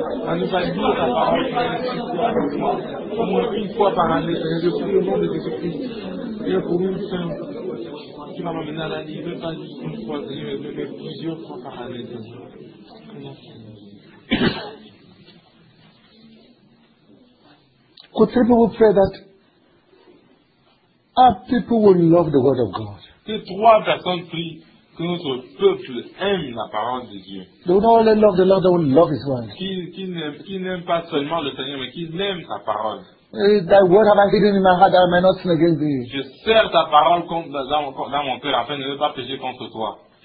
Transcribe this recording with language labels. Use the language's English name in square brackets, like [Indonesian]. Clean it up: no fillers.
[French] À nous dire ta parole, au moins une fois par année, Seigneur, je prie au nom de Jésus-Christ. Et pour une fin, tu vas m'amener à la vie, même pas juste une fois, Seigneur, mais plusieurs fois par année, Seigneur. [English] Could three people pray that our people will love the word of God? [French] Que 3 personnes prient que notre peuple aime la parole de Dieu. [English] They will not only love the Lord, they will love His word. [French] Qui n'aime pas seulement le Seigneur, mais qui aime sa parole. [English] That word have I hidden in my heart that I may not sin against thee. [French] Je serre ta parole dans mon cœur afin de ne pas pécher contre toi.